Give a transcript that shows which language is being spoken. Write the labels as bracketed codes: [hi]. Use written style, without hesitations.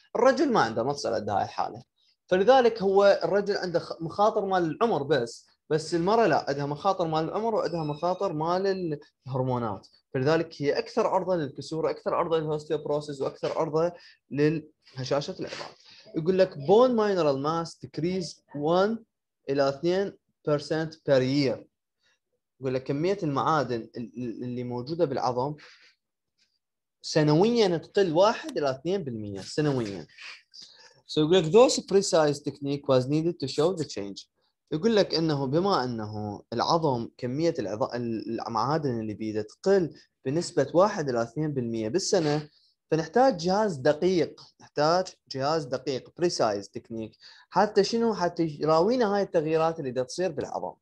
[ar] الرجل ما عنده نفس هاي الحاله، فلذلك هو الرجل عنده مخاطر مال العمر بس المرأة لا، عندها مخاطر مال العمر وعندها مخاطر مال الهرمونات، فلذلك هي اكثر عرضة للكسور، اكثر عرضة للهوستيوبروسيس، واكثر عرضة لهشاشة العظام. يقول لك [en] bone mineral mass decrease 1 الى 2% per year. [ar] يقول لك كمية المعادن اللي موجودة بالعظم سنويا تقل 1 الى 2% سنويا. [en] So [ar] يقول لك [en] those precise technique was needed to show the change. [ar] يقول لك انه بما انه العظم كميه المعادن اللي بيده تقل بنسبه 1 الى 2% بالسنه، فنحتاج جهاز دقيق، نحتاج جهاز دقيق بريسايز تكنيك حتى شنو، حتى يراوينا هاي التغييرات اللي بدها تصير بالعظم.